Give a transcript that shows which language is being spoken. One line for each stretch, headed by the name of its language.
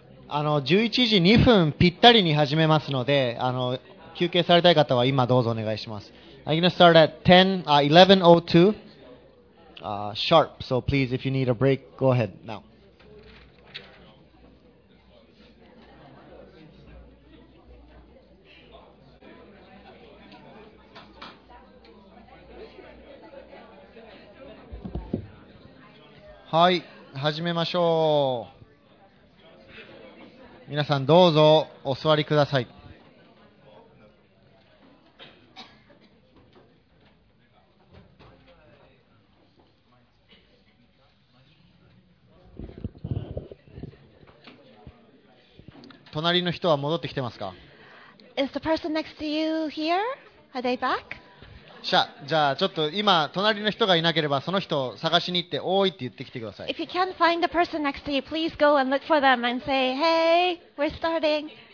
Japanese: 11時2分ぴったりに始めますので、休憩されたい方は今どうぞお願いします。
English: I'm gonna start at 11:02 sharp. So please, if you need a break, go ahead now.
Japanese: はい、始めましょう。皆さんどうぞお座りください。隣の人は戻ってきてますか？
English: Is the person next to you here? Are they back?
Japanese: じゃあちょっと今隣の人がいなければその人を探しに行って、おいって言ってきてください。
English: If you can't find the person next to you, please go and look for them and say, Hey, we're starting.